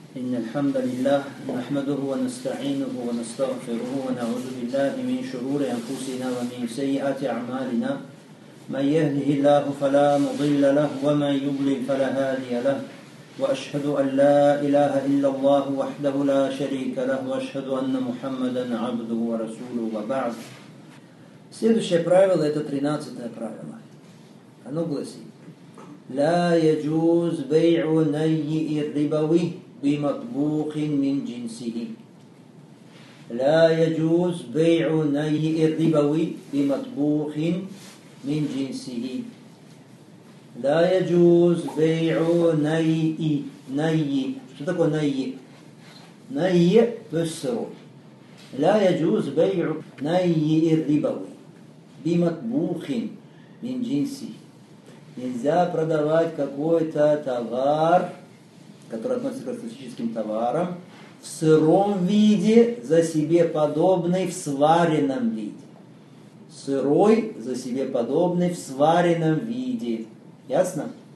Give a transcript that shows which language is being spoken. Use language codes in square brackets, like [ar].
[ar] إن الحمد لله نحمده ونستعينه ونستغفره ونعوذ بالله من شرور أنفسنا ومن سيئات أعمالنا من يهده الله فلا مضل له ومن يضلل فلا هادي له وأشهد أن لا إله إلا الله وحده لا شريك له وأشهد أن محمدا عبده ورسوله وبعد. [ru] Следующее правило это 13-е правило. Оно гласит: [ar] لا يجوز بيع ني الربوي بمطبوخ من جنسه. لا يجوز بيع ني الربوي بمطبوخ من جنسه. لا يجوز بيع ني. [ru] Что такое ني? [ar] ني بسر. لا يجوز بيع ني الربوي بمطبوخ من جنسه. [ru] Нельзя продавать какой-то товар, который относится к классическим товарам, в сыром виде за себе подобный в сваренном виде. Сырой за себе подобный в сваренном виде. Ясно?